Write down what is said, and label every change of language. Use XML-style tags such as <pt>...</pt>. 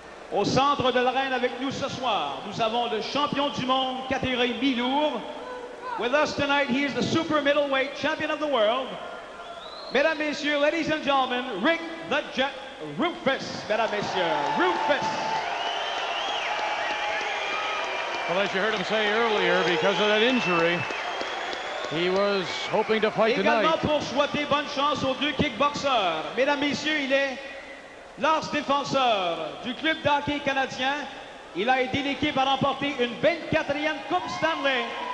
<fr>au centre de l'arène avec nous ce soir, nous avons le champion du monde catégorie mi-lourd.</fr> <en>With us tonight, he is the super middleweight champion of the world.</en> <fr>Mesdames, Messieurs,</fr> <en>ladies and gentlemen,</en> <fr>Rick the Jet Rufus, mesdames, Messieurs, Rufus.</fr> <en>Well, as you heard him say earlier, because of that injury, he was hoping to fight</en> <fr>également</fr> <en>tonight.</en> <fr>Également pour souhaiter bonne chance aux deux kickboxers. Mesdames, Messieurs, il est l'ars défenseur du club d'hockey canadien. Il a aidé l'équipe à remporter une 24e Coupe Stanley.</fr>